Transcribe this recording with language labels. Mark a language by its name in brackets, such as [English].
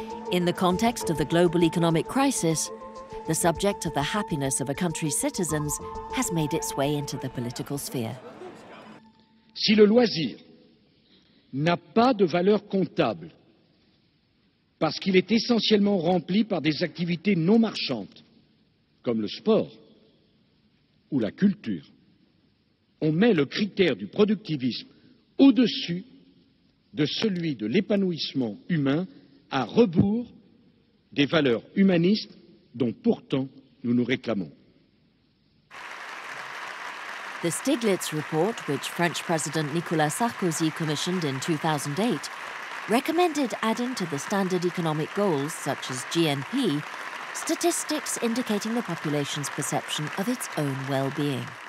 [English] In the context of the global economic crisis, the subject of the happiness of a country's citizens has made its way into the political sphere. [French] Si le loisir n'a pas de valeur comptable, parce qu'il est essentiellement rempli par des activités non marchandes, comme le sport ou la culture, on met le critère du productivisme au-dessus de celui de l'épanouissement humain, à rebours des valeurs humanistes dont pourtant nous nous réclamons. [English] The Stiglitz Report, which French President Nicolas Sarkozy commissioned in 2008, recommended adding to the standard economic goals, such as GNP, statistics indicating the population's perception of its own well-being.